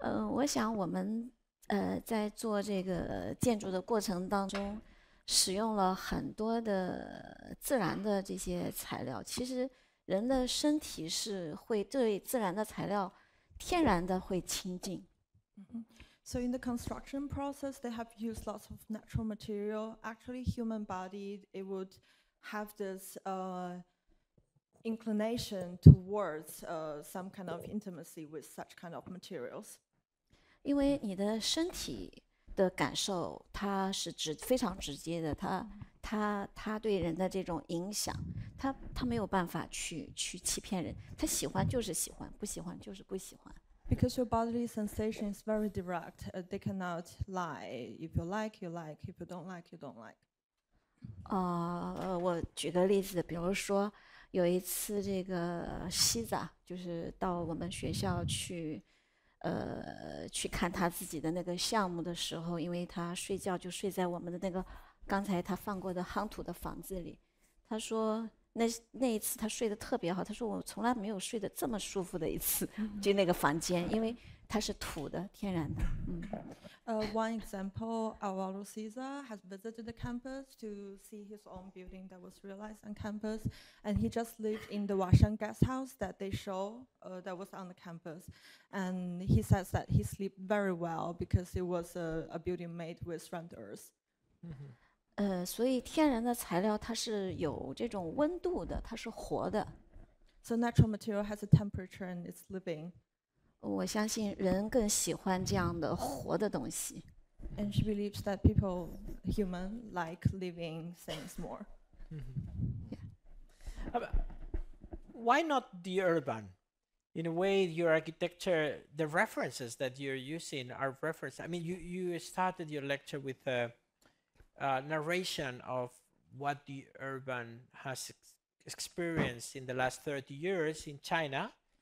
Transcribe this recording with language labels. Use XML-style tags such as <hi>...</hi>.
<zh>我想我们在做这个建筑的过程当中，使用了很多的自然的这些材料，其实。人的身体是会对自然的材料天然的会亲近。</zh> <en>So in the construction process, they have used lots of natural material. Actually, human body, it would have this inclination towards some kind of intimacy with such kind of materials.</en> <zh>因为你的身体的感受，它是非常直接的，它对人的这种影响，它没有办法去欺骗人，它喜欢就是喜欢，不喜欢就是不喜欢。</zh> <en>Because your bodily sensation is very direct, they cannot lie. If you like, you like. If you don't like, you don't like.</en> <zh>我举个例子，比如说有一次这个西子就是到我们学校去。去看他自己的那个项目的时候，因为他睡觉就睡在我们的那个刚才他放过的夯土的房子里，他说那一次他睡得特别好，他说我从来没有睡得这么舒服的一次，就那个房间，因为它是土的天然的。</zh> <en>One example, Alvaro Cesar has visited the campus to see his own building that was realized on campus, and he just lived in the Washang guest house that they show that was on the campus. And he says that he slept very well because it was a building made with round earth.</en> <zh>所以天然的材料它是有这种温度的，它是活的。</zh> <en>So natural material has a temperature and it's living.</en> <zh>我相信人更喜欢这样的活的东西。</zh> <en>And she believes that people, human, like living things more. Yeah. Why not the urban? In a way, your architecture, the references that you're using are references. I mean, you started your lecture with a narration of what the urban has experienced in the last 30 years in China.</en>